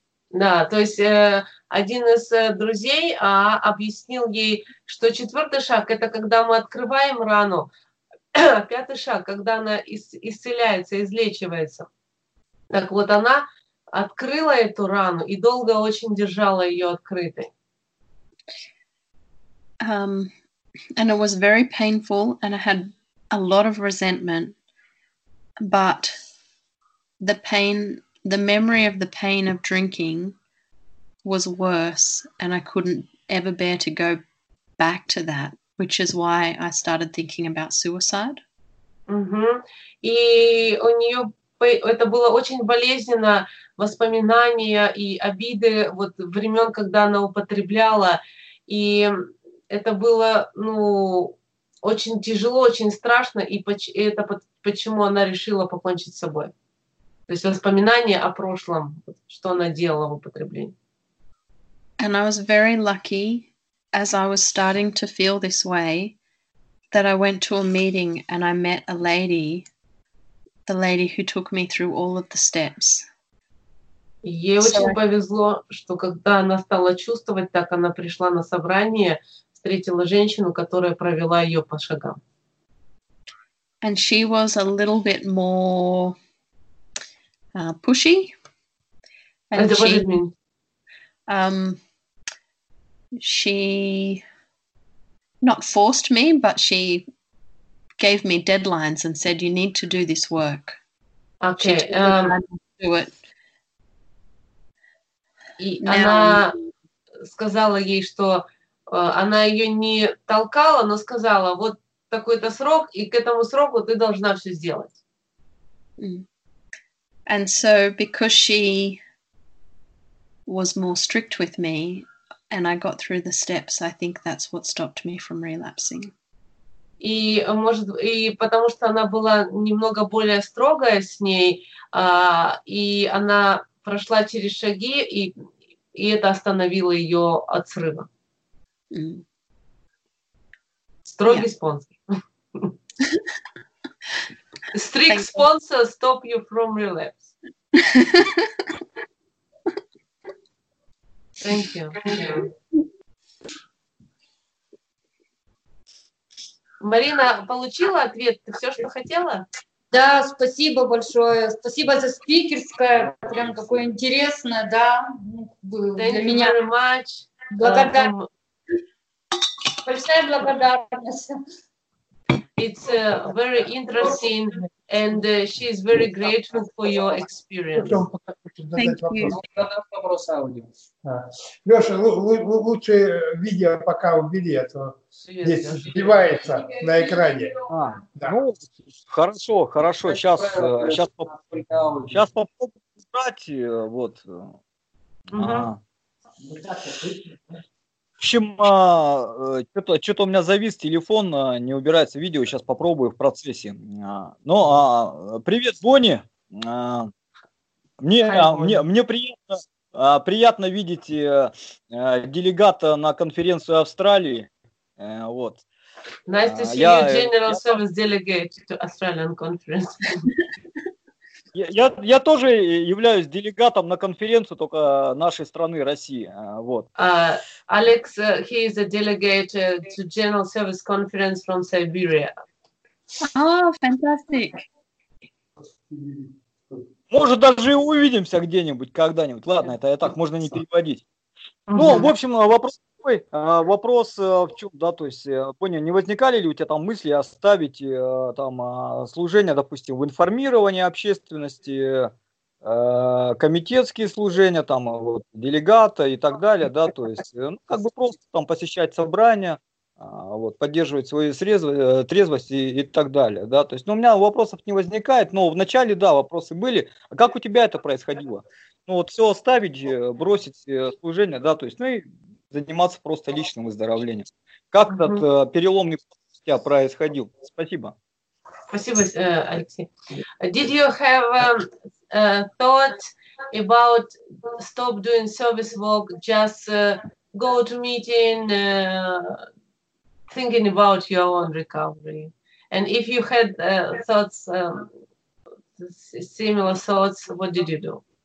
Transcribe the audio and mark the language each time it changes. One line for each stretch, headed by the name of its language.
Russian: Да, то есть один из друзей объяснил ей, что четвертый шаг — это когда мы открываем рану, а пятый шаг — когда она исцеляется, излечивается. Так вот, она открыла эту рану и долго очень держала ее открытой.
English: And it was very painful, and I had a lot of resentment, but the pain, the memory of the pain of drinking was worse, and I couldn't ever bear to go back to that, which is why I started thinking about suicide.
Russian: И у неё это было очень болезненно, воспоминания и обиды вот времён, когда она употребляла, и... Это было, ну, очень тяжело, очень страшно, и это почему она решила покончить с собой. То есть воспоминания о прошлом, что она делала в употреблении.
English: And I was very lucky, as I was starting to feel this way, that I went to a meeting and I met a lady, the lady who took me through all of the steps.
Russian: Ей очень повезло, что когда она стала чувствовать так, она пришла на собрание, встретила женщину, которая провела ее по шагам.
English: And she was a little bit more pushy. And what does it mean? She not forced me, but she gave me deadlines and said, "You need to do this work." Okay. She told me how to do it.
Russian: И она сказала ей, что она ее не толкала, но сказала, вот такой-то срок, и к этому сроку ты должна все сделать.
English: And so, because she was more strict with me, and I got through the steps, I think that's what stopped me from relapsing.
Russian: И потому что она была немного более строгая с ней, и она прошла через шаги, и это остановило ее от срыва. Строгий спонсор.
English: Strict sponsor stop you from relapse. Thank you.
Russian: Марина, получила ответ? Ты все, что хотела? Да, спасибо большое. Спасибо за спикерское. Прям такое интересное, да.
English: Thank you very much.
Russian: Благодарю. Большая благодарность.
English: It's very interesting, and she is very grateful for your experience. Thank you.
Russian: Леша, лучше видео пока убери, а то здесь сбивается на экране. Ну, хорошо. Сейчас попробую убрать, вот. В общем, что-то у меня завис телефон, не убирается видео, сейчас попробую в процессе. Ну, привет, Бонни. Мне приятно видеть делегата на конференцию Австралии. Вот.
English: Nice to see you, General Service Delegate to Australian Conference.
Russian: Я тоже являюсь делегатом на конференцию только нашей страны России, вот.
English: Alex, he is a delegate to General Service Conference from Siberia. Oh, fantastic!
Russian: Может, даже и увидимся где-нибудь когда-нибудь. Ладно, это я так, можно не переводить. Ну, в общем, вопрос такой. Вопрос в чем, да, то есть, понял, не возникали ли у тебя там мысли оставить там служение, допустим, в информировании общественности, комитетские служения, там, вот, делегата и так далее, да, то есть, ну, как бы просто там посещать собрания, вот, поддерживать свои срезы, трезвость и так далее, да, то есть, ну, у меня вопросов не возникает, но вначале, да, вопросы были. А как у тебя это происходило? Ну, вот, все оставить, бросить служение, да, то есть, ну, и заниматься просто личным выздоровлением. Как этот переломный процесс у тебя происходил? Спасибо. Спасибо, Алексей.
English: Did you have thought about stop doing service work, just go to meeting, thinking about your own recovery? And if you had thoughts, similar thoughts, what did you do?